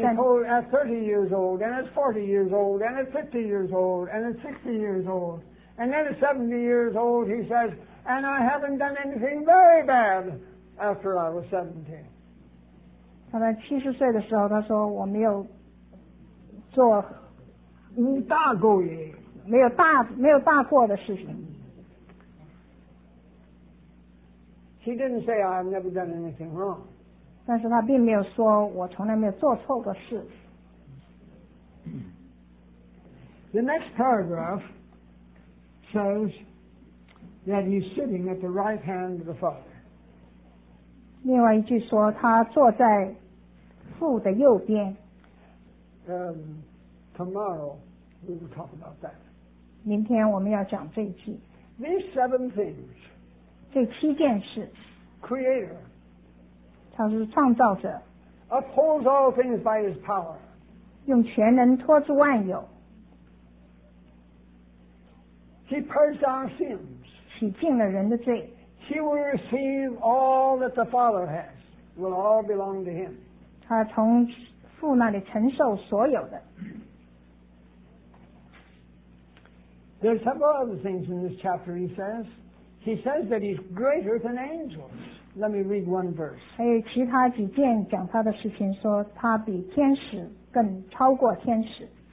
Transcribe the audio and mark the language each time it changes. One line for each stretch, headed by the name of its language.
English: And he told at 30 years old, and at 40 years old, and at 50 years old, and at 60 years old, and then at 70 years old, he says, and I haven't done anything very bad after I was 17.
Chinese: 他在70岁的时候，他说我没有做大过也，没有大过的事情。
English: He didn't say I've never done anything wrong.
Chinese: 但是他并没有说我从来没有做错过事。
English: The next paragraph says that he's sitting at the right hand of the Father.
Chinese: 另外一句说他坐在父的右边。
English: Tomorrow we will talk about that.
Chinese: 明天我们要讲这一句。
English: These seven things.
Chinese: 这七件事。
English: Creator.
Chinese: 他是创造者
English: upholds all things by his power
Chinese: 用全能托住万有
English: he purged our sins
Chinese: 洗净了人的罪
English: he will receive all that the Father has will all belong to him
Chinese: 他从父那里承受所有的
English: there are several other things in this chapter he says he says that he's greater than angelsLet me read one verse.
Chinese: 还有其他几件讲他的事情，说他比天使更超过天使。